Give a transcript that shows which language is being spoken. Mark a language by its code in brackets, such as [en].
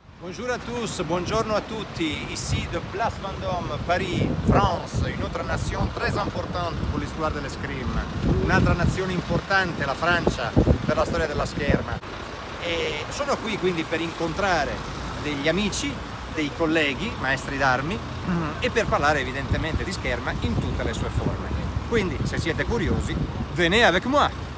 [fr] Bonjour à tous, bonjour à tutti. Ici de Place Vendôme, Paris, France, une autre nation très importante pour l'histoire de l'escrime. Une autre nation importante, la France, pour [it] la storia della scherma. E sono qui quindi per incontrare degli amici, dei colleghi, maestri d'armi, e per parlare evidentemente di scherma in tutte le sue forme. Quindi, se siete curiosi, [fr] venez avec moi.